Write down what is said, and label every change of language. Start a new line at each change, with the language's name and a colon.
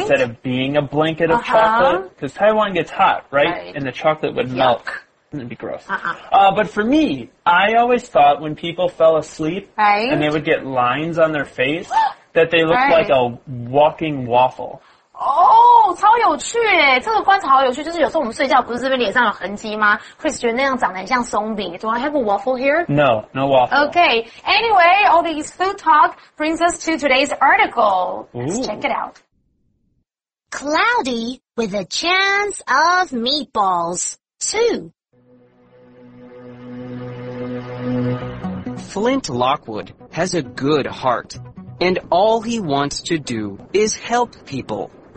English: Instead of being a blanket of chocolate. Because Taiwan gets hot, right? And the chocolate would melt. It'd be gross. But for me, I always thought when people fell asleep and they would get lines on their face, that they looked like a walking waffle.
Chinese: Oh, 超有趣耶！这个观察好有趣，就是有时候我们睡觉不是这边脸上有痕迹吗 ？Chris 觉得那样长得很像松饼。
English: Do I have a waffle here? No, no waffle. Okay. Anyway, all these food talk brings us to today's article. Let's check it out. Cloudy with a chance of meatballs. 2. Flint Lockwood has a good heart, and all he wants to do is help people.